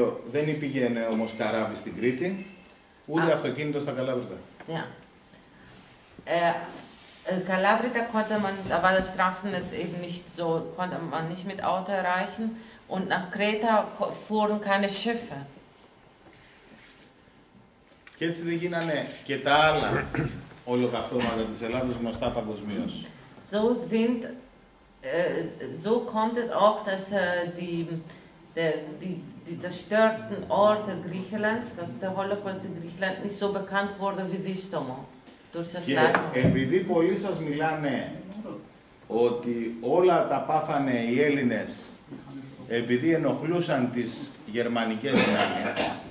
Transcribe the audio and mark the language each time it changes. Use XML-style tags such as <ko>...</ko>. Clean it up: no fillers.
<el>Δεν πήγαινε όμως καράβι στην Κρήτη, ούτε αυτοκίνητο στα Καλάβρυτα.</el> <de>Ja. Καλάβρυτα konnte man, da war das Straßennetz eben nicht so, konnte man nicht mit Auto erreichen. Und nach Kreta fuhren keine Schiffe.</de> <el>Και έτσι δεν γίνανε και τα άλλα ολοκαυτώματα της Ελλάδος γνωστά παγκοσμίως.</el> <de>So sind, so kommt es auch, dass die zerstörten Orte Griechenlands, dass der Holocaust in Griechenland nicht so bekannt wurde wie Dystomo. Durch das Leiden.</de> <el>Επειδή πολλοί σας μιλάνε ότι όλα τα πάθανε οι Έλληνες επειδή ενοχλούσαν τις γερμανικές δυνάμεις.</el>